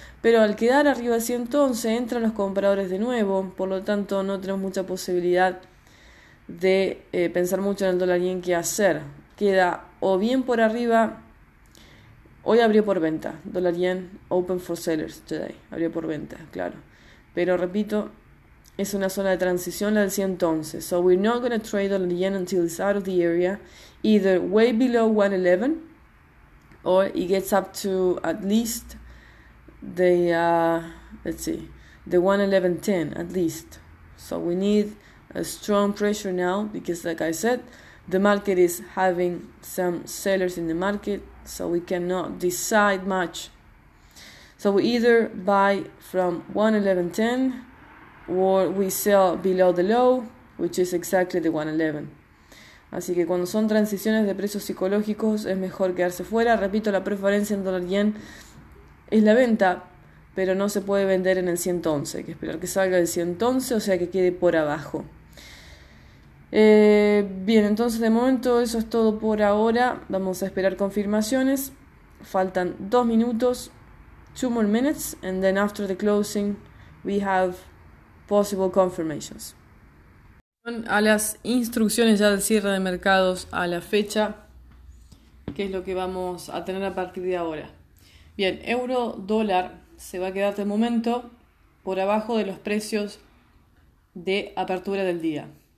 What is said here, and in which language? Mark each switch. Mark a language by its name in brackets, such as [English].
[Spanish] Pero al quedar arriba del 111, entran los compradores de nuevo, por lo tanto, no tenemos mucha posibilidad de pensar mucho en el dólar yen qué hacer. Queda o bien por arriba. Hoy abrió por venta, dólar yen, [English] open for sellers today, [Spanish] abrió por venta, claro. Pero repito, es una zona de transición la del 111. [English] So we're not going to trade dollar yen until it's out of the area, either way below 111, or it gets up to at least the, let's see, the 111.10, at least. So we need a strong pressure now, because like I said, the market is having some sellers in the market, so we cannot decide much. So we either buy from 111.10 or we sell below the low, which is exactly the 111. [Spanish] Así que cuando son transiciones de precios psicológicos es mejor quedarse fuera. Repito, la preferencia en dólar yen es la venta, pero no se puede vender en el 111. Hay que esperar que salga el 111, o sea que quede por abajo. Bien, entonces de momento eso es todo por ahora. Vamos a esperar confirmaciones. Faltan 2 minutos, [English] 2 more minutes, and then after the closing we have possible confirmations. [Spanish] A las instrucciones ya del cierre de mercados a la fecha, que es lo que vamos a tener a partir de ahora. Bien, euro dólar se va a quedar de momento por abajo de los precios de apertura del día.